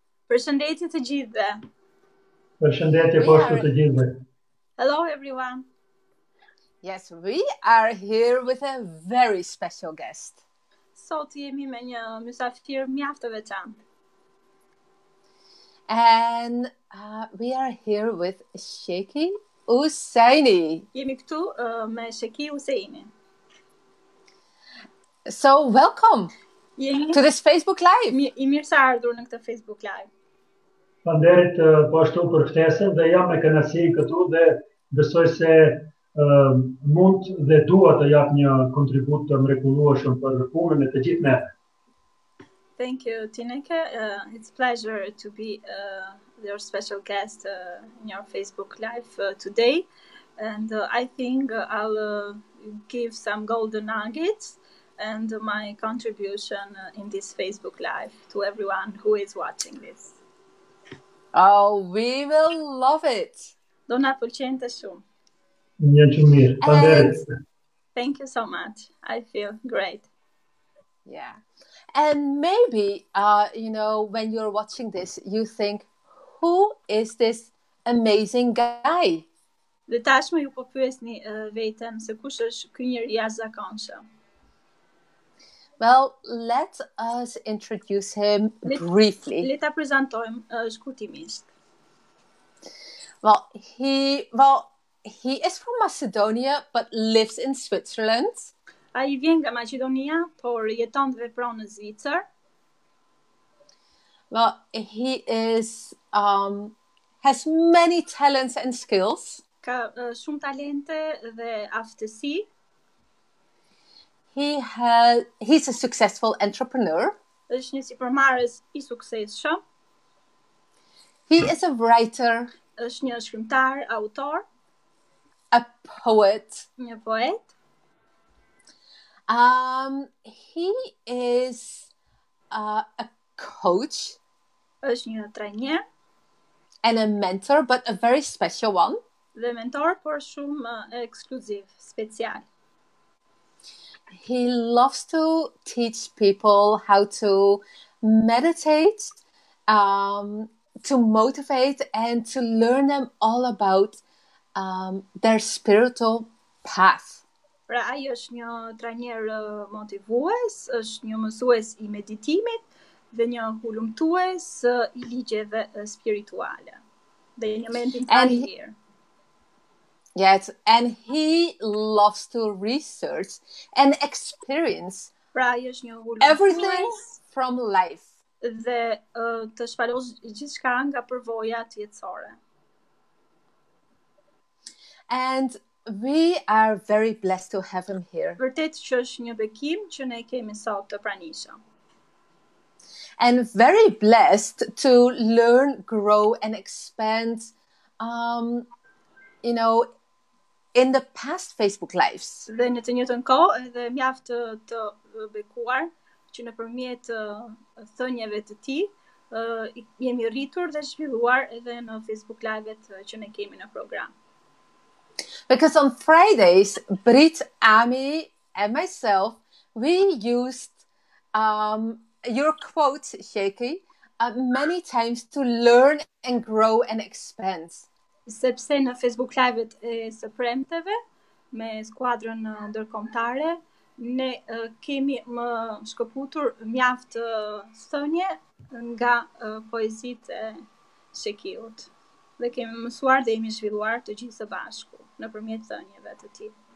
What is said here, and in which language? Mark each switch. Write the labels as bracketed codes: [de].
[sq] Përshëndetje të gjithëve. Përshëndetje poshtë të gjithëve. [en] Hello everyone. Yes, we are here with a very special guest. [sq] Sot jemi me një mysafir mjaft të veçantë. [en] And we are here with Sheki Useini. [sq] Jemi këtu me Sheki Useini. [en] So, welcome. To this Facebook Live. [sq] I mirë se ardhur në këtë Facebook Live. Falënderit po ashtu për ftesën dhe jam me kënaqësi këtu dhe besoj se mund dhe dua të jap një kontribut të mrekullueshëm për punën e të gjithë ne. [en] Thank you, Tineke. It's a pleasure to be your special guest in your Facebook Live today. And I think I'll give some golden nuggets and my contribution in this Facebook Live to everyone who is watching this. Oh, we will love it. [sq] Dona pëlqente shumë. Një të mirë. Falënderit. [en] Thank you so much. I feel great. Yeah. And maybe, you know, when you're watching this, you think, who is this amazing guy? [sq] Dhe tashmë ju po pyesni vetëm se kush është ky njeri jashtëzakonshëm. [en] Well, let us introduce him briefly. [sq] Leta prezantojm shkurtimisht. [en] Well, he is from Macedonia but lives in Switzerland. [sq] Ai vjen nga Maqedonia, por jeton dhe vepron në Zvicër. [en] Well, he is has many talents and skills. [sq] Ka shumë talente dhe aftësi. [en] He's a successful entrepreneur. [sq] Është një sipërmarrës I suksesshëm. [en] He is a writer. [sq] Është një shkrimtar, autor. [en] A poet. [sq] Një poet. [en] He is a coach. [sq] Është një trajner. [en] And a mentor, but a very special one. [sq] Dhe mentor, por shumë ekskluziv, special. [en] He loves to teach people how to meditate, to motivate, and to learn them all about their spiritual path. [sq] Pra, ai është një trajner motivues, është një mësues I meditimit, dhe një hulumtues I ligjeve spirituale. Dhe një mentor familjar. [en] Yes, and he loves to research and experience everything from life. [sq] Dhe të shpalosh gjithçka nga përvojat jetësore. [en] And we are very blessed to have him here. [sq] Vërtet që është një bekim që ne kemi sot të pranishëm. [en] And very blessed to learn, grow and expand you know, in the past Facebook lives. [sq] Dhe në të njëjtën kohë edhe mjaft të bekuar që nëpërmjet thënieve të tij jemi rritur dhe zhvilluar edhe në Facebook live-et që ne kemi në program. [en] Because on Fridays, Brit, Ami and myself, we used your quote, Sheki, many times to learn and grow and expand. [sq] Sepse në Facebook Live-et e së premteve, me skuadrën ndërkombëtare, ne kemi më shkëputur mjaft thënie nga poezitë e Shekiut. Dhe kemi mësuar dhe jemi zhvilluar të gjithë së bashku nëpërmjet thënieve të tij.